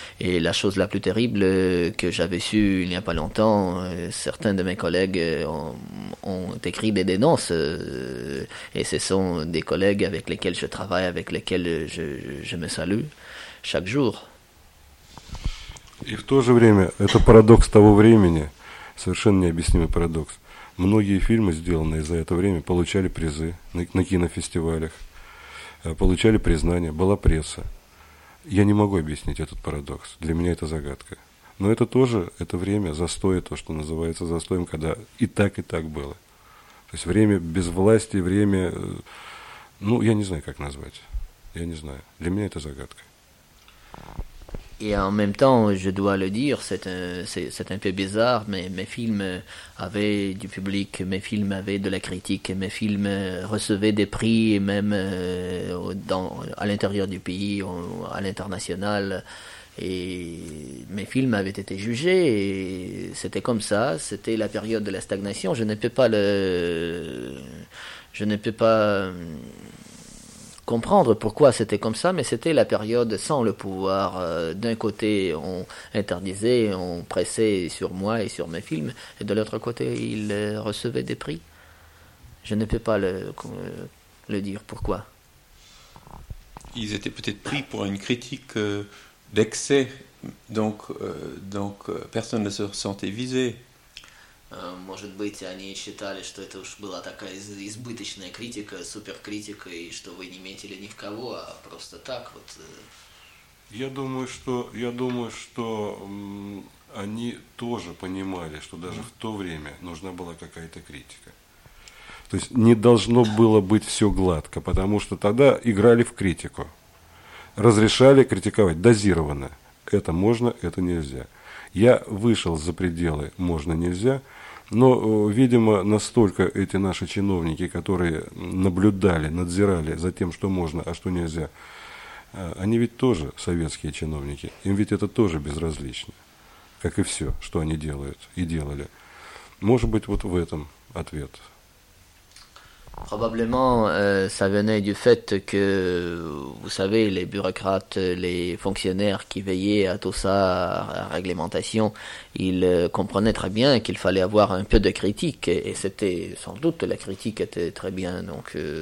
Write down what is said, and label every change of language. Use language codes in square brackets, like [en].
[fr] Et la chose la plus terrible que j'avais su il n'y a pas longtemps, certains de mes collègues ont écrit des dénonces. Et ce sont des collègues avec lesquels je travaille, avec lesquels je me salue chaque jour. Et en même temps, c'est un paradoxe de ce temps, [ru] совершенно необъяснимый [fr] paradoxe. [ru] Многие фильмы, сделанные за это время, получали призы на кинофестивалях, получали признание, была пресса. Я не могу объяснить этот парадокс, для меня это загадка. Но это тоже, это время застоя, то, что называется застоем, когда и так было. То есть время без власти, время, ну, я не знаю, как назвать, я не знаю. Для меня это загадка. [fr] Et en même temps, je dois le dire, c'est un peu bizarre, mais mes films avaient du public, mes films avaient de la critique, mes films recevaient des prix, même à l'intérieur du pays, à l'international, et mes films avaient été jugés, et c'était comme ça, c'était la période de la stagnation, je ne peux pas comprendre pourquoi c'était comme ça, mais c'était la période sans le pouvoir. D'un côté, on interdisait, on pressait sur moi et sur mes films, et de l'autre côté, ils recevaient des prix. Je ne peux pas le dire pourquoi. Ils étaient peut-être pris pour une critique d'excès, donc personne ne se sentait visé. [ru] Может быть, они считали, что это уж была такая избыточная критика, суперкритика, и что вы не метили ни в кого, а просто так вот. Я думаю, что они тоже понимали, что даже в то время нужна была какая-то критика. То есть не должно было быть все гладко, потому что тогда играли в критику. Разрешали критиковать дозированно. Это можно, это нельзя. Я вышел за пределы «можно-нельзя». Но, видимо, настолько эти наши чиновники, которые наблюдали, надзирали за тем, что можно, а что нельзя, они ведь тоже советские чиновники, им ведь это тоже безразлично, как и все, что они делают и делали. Может быть, вот в этом ответ. [fr] Probablement, ça venait du fait que, vous savez, les bureaucrates, les fonctionnaires qui veillaient à tout ça, à réglementation, ils comprenaient très bien qu'il fallait avoir un peu de critique, et c'était sans doute, la critique était très bien donc